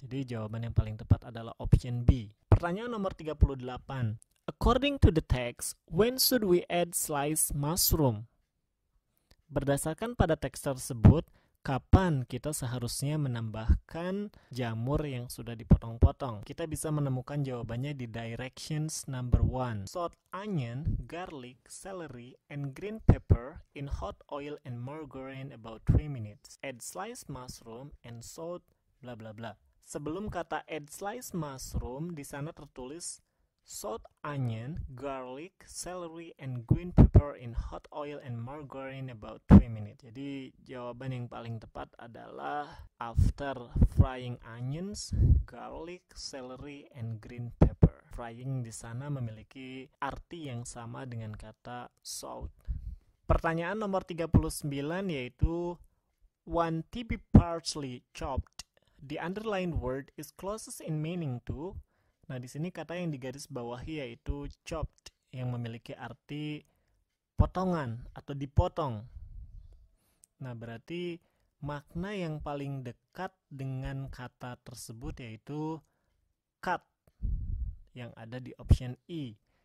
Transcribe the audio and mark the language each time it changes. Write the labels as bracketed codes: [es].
[id] Jadi jawaban yang paling tepat adalah option B. Pertanyaan nomor 38. [en] According to the text, when should we add sliced mushroom? [id] Berdasarkan pada teks tersebut, kapan kita seharusnya menambahkan jamur yang sudah dipotong-potong? Kita bisa menemukan jawabannya di directions number 1. [en] Salt onion, garlic, celery, and green pepper in hot oil and margarine about 3 minutes. Add sliced mushroom and salt, bla bla bla. [id] Sebelum kata [en] add sliced mushroom, [id] di sana tertulis [en] salt onion, garlic, celery, and green pepper in hot oil and margarine about 3 minutes. [id] Jadi jawaban yang paling tepat adalah [en] after frying onions, garlic, celery, and green pepper. [id] Frying di sana memiliki arti yang sama dengan kata salt. Pertanyaan nomor 39 yaitu [en] 1 tb parsley chopped. The underlined word is closest in meaning to. [id] Nah, di sini kata yang digaris bawahi yaitu chopped yang memiliki arti potongan atau dipotong. Nah, berarti makna yang paling dekat dengan kata tersebut yaitu cut yang ada di option E.